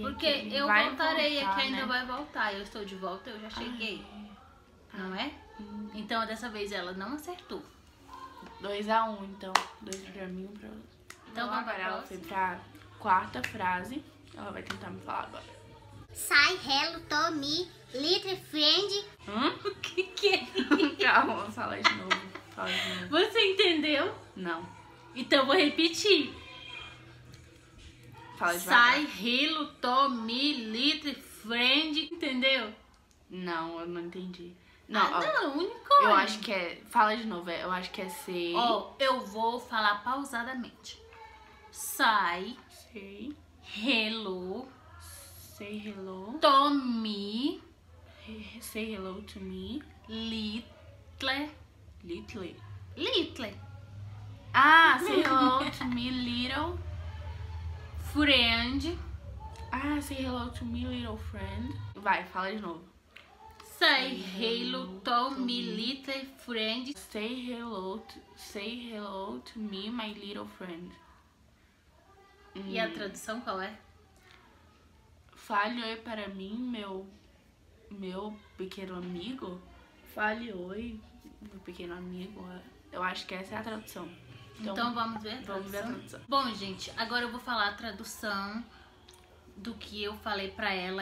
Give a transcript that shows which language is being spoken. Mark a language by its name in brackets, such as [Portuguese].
[Portuguese] Porque eu voltarei, voltar, é que ainda né? Vai voltar. Eu estou de volta, eu já cheguei. Ai. Não Então, dessa vez ela não acertou. 2-1, então. 2 pra mim, 1 pra você. Então, agora pra ela foi pra quarta frase. Ela vai tentar me falar agora. [English] Sai, hello, to me, little friend. [Portuguese] O que é? Calma, fala de novo. Fala de novo. Você entendeu? Não. Então vou repetir. Fala de novo. [English] Sai, hello, to me, little friend. [Portuguese] Entendeu? Não, eu não entendi. Não, ah, não, único. Eu acho que é. Fala de novo, eu acho que é sei. Ó, eu vou falar pausadamente. [English] Sai. [Portuguese] Sei. [English] Hello. Say hello. To me. Say hello to me. Little. Little. Little. Ah, say hello to me, little. Friend. Ah, say hello to me, little friend. [Portuguese] Vai, fala de novo. [English] Say hello to me, little friend. Say hello to me, my little friend. [Portuguese] E a tradução qual é? Fale oi para mim, meu pequeno amigo. Fale oi, meu pequeno amigo. Eu acho que essa é a tradução. Então vamos ver a tradução. Vamos ver a tradução. Bom, gente, agora eu vou falar a tradução do que eu falei para ela.